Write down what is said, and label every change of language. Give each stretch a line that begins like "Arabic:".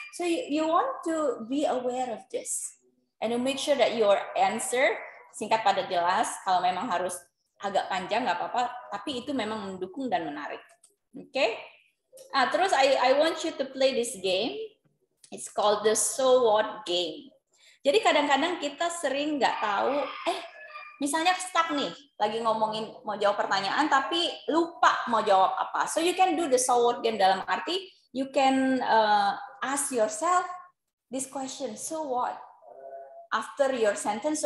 English: So you want to be aware of this and to make sure that your answer
Indonesian: singkat padat jelas. Kalau memang harus agak panjang nggak apa-apa, tapi itu memang mendukung dan menarik. Oke, okay?
English: Terus I want you to play this game, it's called the so what game.
Indonesian: Jadi kadang-kadang kita sering nggak tahu, misalnya stuck nih, lagi ngomongin mau jawab pertanyaan tapi lupa mau jawab apa.
English: So you can do the so what game,
Indonesian: dalam arti
English: you can ask yourself this question, so what, after your sentence.